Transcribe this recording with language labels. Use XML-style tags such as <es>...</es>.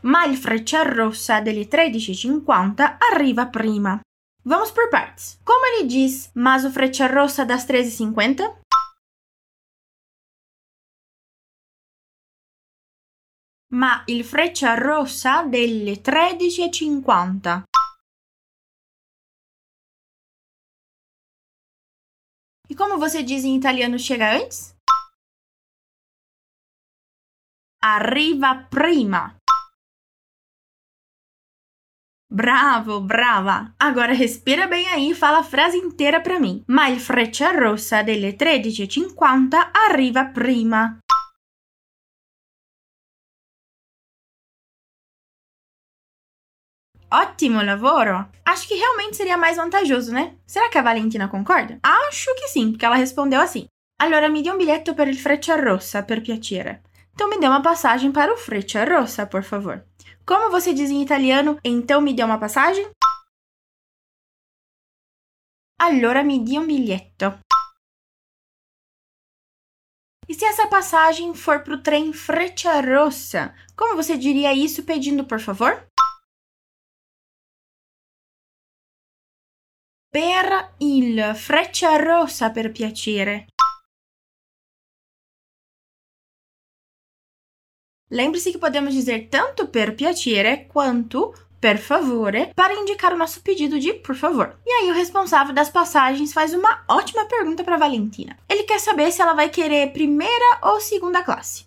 <it>Ma il Frecciarossa delle 13h50 arriva prima.</it> <pt>Vamos por partes. Como ele diz, mas o Frecciarossa das 13h50?</pt> <it>Ma il Frecciarossa delle 13h50.</it> <pt>E como você diz em italiano, chega antes?</pt> <it>Arriva prima.</it> <pt>Bravo, brava. Agora respira bem aí e fala a frase inteira pra mim.</pt> <it>Ma il Frecciarossa delle 13h50 arriva prima.</it> <pt>Ótimo lavoro! Acho que realmente seria mais vantajoso, né? Será que a Valentina concorda? Acho que sim, porque ela respondeu assim.</pt> <it>Allora mi dia un biglietto per il Frecciarossa, per piacere.</it> <pt>Então me dê uma passagem para o Frecciarossa, por favor. Como você diz em italiano, então me dê uma passagem?</pt> <it>Allora mi dia un biglietto.</it> <pt>E se essa passagem for para o trem Frecciarossa, como você diria isso pedindo por favor?</pt> <it>Per il Frecciarossa, per piacere.</it> <pt>Lembre-se que podemos dizer tanto</pt> <it>per piacere</it> <pt>quanto</pt> <it>per favore</it> <pt>para indicar o nosso pedido de por favor. E aí o responsável das passagens faz uma ótima pergunta para Valentina. Ele quer saber se ela vai querer primeira ou segunda classe.</pt>